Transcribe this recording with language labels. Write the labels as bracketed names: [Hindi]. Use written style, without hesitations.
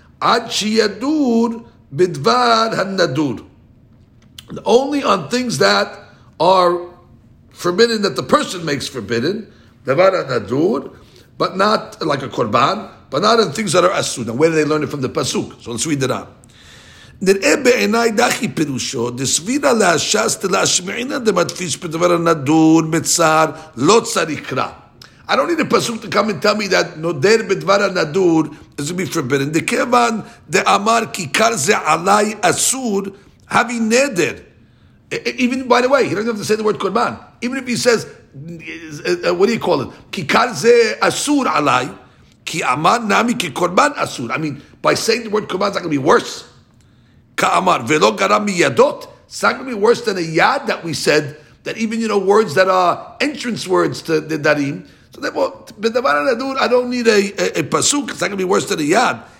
[Hebrew] Ad shi yadur bidvar hanadur. [English] Only on things that are forbidden, that the person makes forbidden, dvar hanadur, but not like a korban, but not in things that are asud. Now, where do they learn it from the pasuk? So let's read it out. [Hebrew] נראה בעיניי דחי פירושו, דסבירה להשס תלהשמעינה דמדפיש בדבר הנדור מצער, לא צריך קרא. [English] I don't need a pasuk to come and tell me that [Hebrew] נודר בדבר הנדור [English] is to be forbidden. [Hebrew] דכיוון דאמר כיכר זה עליי אסור, הבי נדר. [English] Even, by the way, he doesn't have to say the word קורבן. Even if he says, what do you call it? [Hebrew] כיכר זה אסור עליי, כי אמר נמי כקורבן אסור. [English] I mean, by saying the word קורבן, it's not going to be worse. [Hebrew] Ka'amar, ve'lo garam miyadot. [English] It's not going to be worse than a yad that we said, that even, you know, words that are entrance words to the darim. So therefore, I don't need a pasuk. It's not going to be worse than a yad.